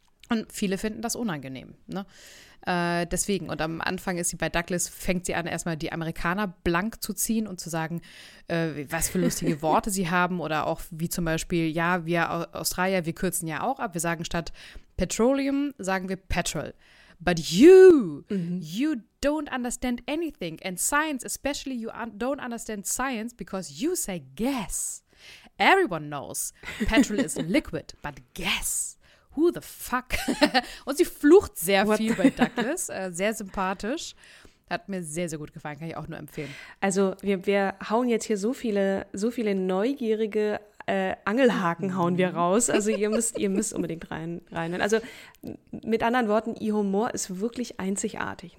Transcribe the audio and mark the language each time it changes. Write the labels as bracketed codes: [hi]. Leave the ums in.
[de] Und viele finden das unangenehm. Ne? Äh, deswegen, und am Anfang ist sie bei Douglas, fängt sie an, erstmal die Amerikaner blank zu ziehen und zu sagen, äh, was für lustige Worte sie haben oder auch wie zum Beispiel, ja, wir Au- Australier, wir kürzen ja auch ab. Wir sagen statt Petroleum, sagen wir Petrol. [en] But you, you don't understand anything. And science, especially you un don't understand science because you say gas. Everyone knows petrol is liquid, but gas. Who the fuck? [de] Und sie flucht sehr viel bei Douglas. Äh, sehr sympathisch. Hat mir sehr, sehr gut gefallen. Kann ich auch nur empfehlen. Also wir, wir hauen jetzt hier so viele, so viele neugierige äh, Angelhaken hauen wir raus. Also ihr müsst, ihr müsst unbedingt rein, reinhören. Also m- mit anderen Worten, ihr Humor ist wirklich einzigartig.